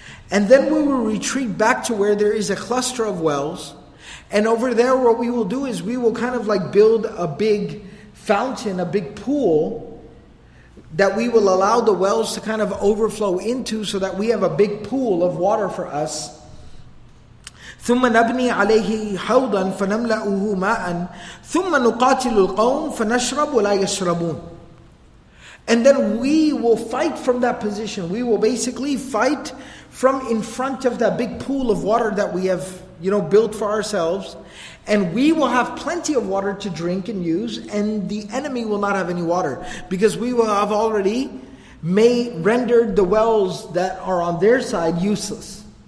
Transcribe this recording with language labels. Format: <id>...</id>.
<en>And then we will retreat back to where there is a cluster of wells. And over there what we will do is we will kind of like build a big fountain, a big pool, that we will allow the wells to kind of overflow into so that we have a big pool of water for us.</en> <ar>ثم نبني عليه حوضا فنملأه ماء ثم نقاتل القوم فنشرب ولا يشربون.</ar> <en>And then we will fight from that position. We will basically fight from in front of that big pool of water that we have, you know, built for ourselves. And we will have plenty of water to drink and use, and the enemy will not have any water, because we will have already may render the wells that are on their side useless.</en>